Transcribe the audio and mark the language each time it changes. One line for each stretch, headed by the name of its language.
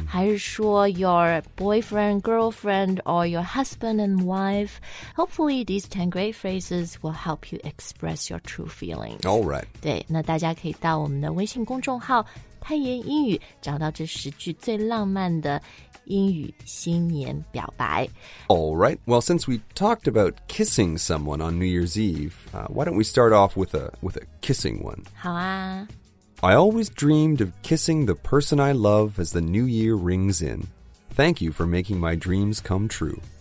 Chinese: 还是说
English: your boyfriend, girlfriend, or your husband and wife. Hopefully, these 10 great phrases will help you express your true feelings. All right.
Chinese: 对，那大家可以到我们的微信公众号探言英语，找到这十句最浪漫的英语新年表白。
English: All right. Well, since we talked about kissing someone on New Year's Eve, why don't we start off with a kissing one?
Chinese: 好啊。
English: I always dreamed of kissing the person I love as the new year rings in. Thank you for making my dreams come true.